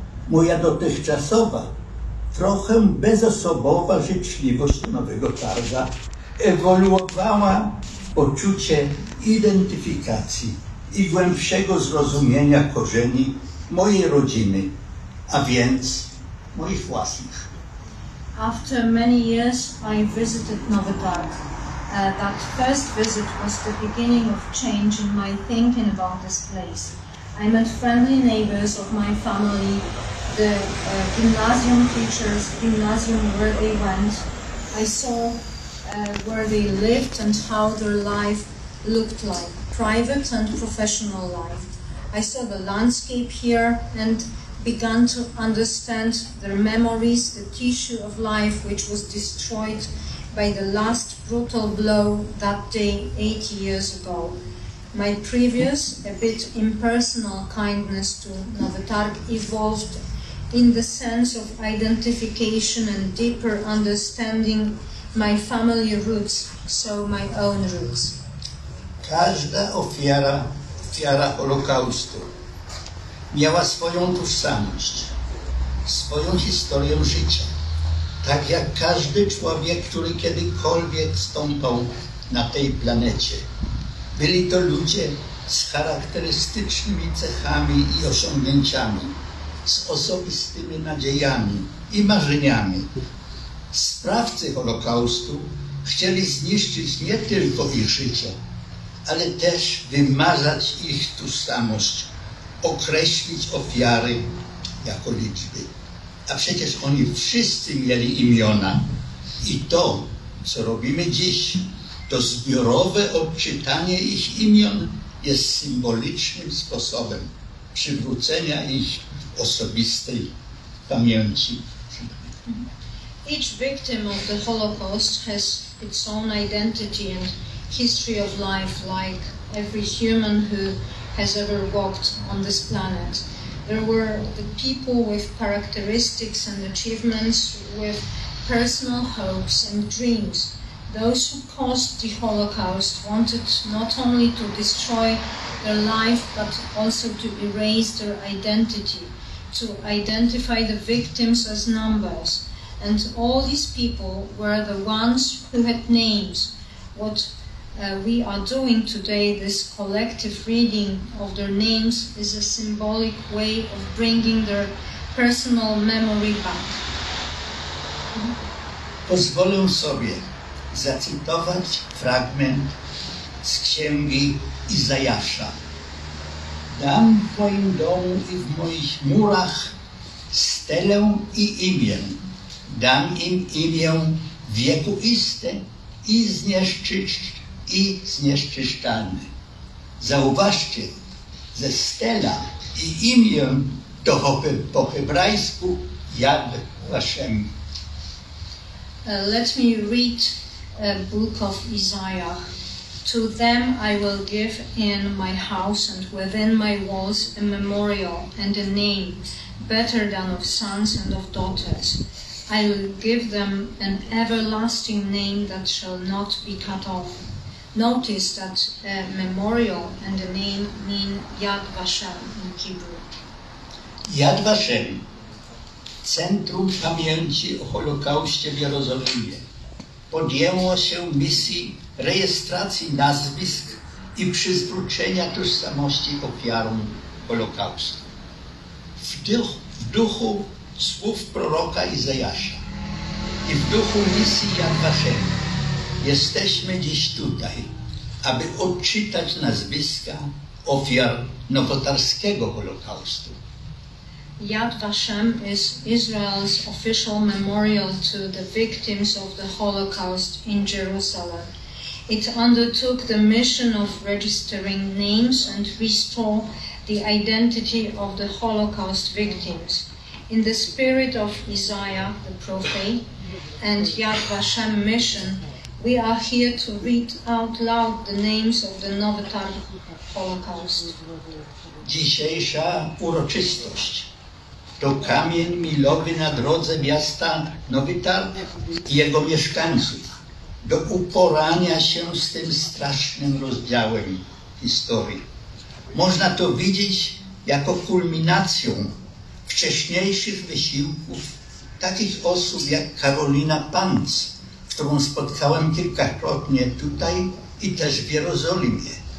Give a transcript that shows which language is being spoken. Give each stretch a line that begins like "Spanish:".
Polish: Moja dotychczasowa, trochę bezosobowa życzliwość nowego Targa ewoluowała w poczucie identyfikacji i głębszego zrozumienia korzeni mojej rodziny, a więc moich własnych.
English: After many years, I visited Nowy Targ. That first visit was the beginning of change in my thinking about this place. I met friendly neighbors of my family, the gymnasium teachers, gymnasium where they went. I saw where they lived and how their life looked like, private and professional life. I saw the landscape here and began to understand their memories, the tissue of life which was destroyed by the last brutal blow that day 8 years ago. My previous, a bit impersonal kindness to Nowy Targ evolved in the sense of identification and deeper understanding my family roots, so my own roots.
Polish: Każda ofiara Holokaustu miała swoją tożsamość, swoją historię życia, tak jak każdy człowiek, który kiedykolwiek stąpał na tej planecie. Byli to ludzie z charakterystycznymi cechami i osiągnięciami, z osobistymi nadziejami i marzeniami. Sprawcy Holokaustu chcieli zniszczyć nie tylko ich życie, ale też wymazać ich tożsamość, określić ofiary jako liczby. A przecież oni wszyscy mieli imiona. I to, co robimy dziś, to zbiorowe odczytanie ich imion jest symbolicznym sposobem przywrócenia ich osobistej pamięci.
English: Each victim of the Holocaust has its own identity and history of life, like every human who has ever walked on this planet. There were the people with characteristics and achievements, with personal hopes and dreams. Those who caused the Holocaust wanted not only to destroy their life, but also to erase their identity, to identify the victims as numbers. And all these people were the ones who had names. What we are doing today, this collective reading of their names, is a symbolic way of bringing their personal memory back.
Polish: Pozwolę sobie zacytować fragment z księgi Izajasza. Dam w moim domu i w moich murach stelę i imię. Dam im imię wiekuiste i zniszczyszczalne. Zauważcie, ze stela i imię to po hebrajsku Yad Vashem.
English: Let me read a book of Isaiah. To them I will give in my house and within my walls a memorial and a name better than of sons and of daughters. I will give them an everlasting name that shall not be cut off. Notice that a memorial and a name mean Yad Vashem in Hebrew.
Polish: Yad Vashem, Centrum Pamięci o Holokauście w Jerozolimie, podjęło się misji rejestracji nazwisk i przywrócenia tożsamości ofiarom Holokaustu. W duchu słów proroka Izajasza i w duchu misji Yad Vashem jesteśmy dziś tutaj, aby odczytać nazwiska ofiar nowotarskiego Holokaustu.
English: Yad Vashem is Israel's official memorial to the victims of the Holocaust in Jerusalem. It undertook the mission of registering names and restore the identity of the Holocaust victims. In the spirit of Isaiah, the prophet, and Yad Vashem's mission, we are here to read out loud the names of the Nowy Targ Holocaust.
Polish: Dzisiejsza uroczystość to kamień milowy na drodze miasta Nowy Targ i jego mieszkańców. do uporania się z tym strasznym rozdziałem historii. Można to widzieć jako kulminację wcześniejszych wysiłków takich osób jak Karolina Pantz, którą spotkałem kilkakrotnie tutaj i też w Jerozolimie.